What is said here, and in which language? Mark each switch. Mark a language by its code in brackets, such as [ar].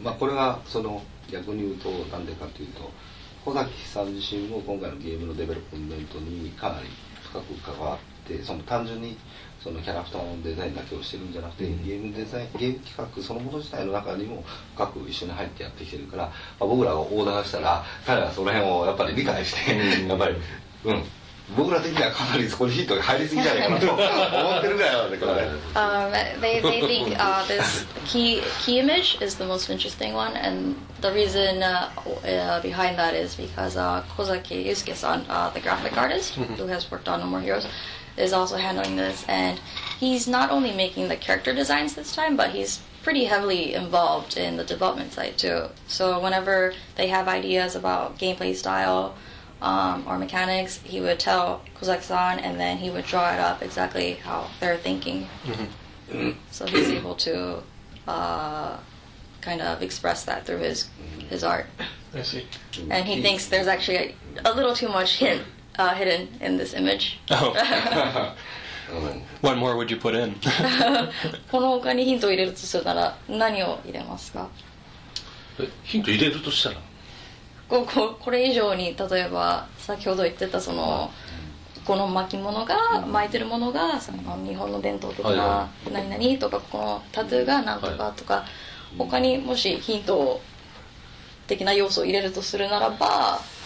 [ja] まあ、これがその逆に言うと何でかというと小崎さん自身も今回のゲームのデベロップメントにかなり深く関わってその単純にそのキャラクターのデザインだけをしてるんじゃなくて、ゲームデザイン、ゲーム企画そのもの自体の中にも深く一緒に入ってやってきてるから、まあ、僕らがオーダーしたら彼らその辺をやっぱり理解してやっぱり僕ら的にはかなりそこにヒントが入りすぎじゃないかなと思ってるぐらいなんでこれ。 [en] They think this key image is the most interesting one, and the reason behind that is because Kozaki Yusuke-san, the graphic artist who has worked on No More Heroes, is also handling this, and he's not only making the character designs this time, but he's pretty heavily involved in the development side too. So whenever they have ideas about gameplay style. Or mechanics, he would tell Kozaki-san, and then he would draw it up exactly how they're thinking. Mm-hmm. So he's able to kind of express that through his art. I see. And he thinks there's actually a little too much hidden in this image. Oh. What more would you put in? [ja] この他にヒントを入れるとするなら何を入れますか？ヒント入れるとしたら、これ以上に例えば先ほど言ってたそのこの巻物が巻いてるものがその日本の伝統的な何々とかこのタトゥーが何とかとか他にもしヒント的な要素を入れるとするならば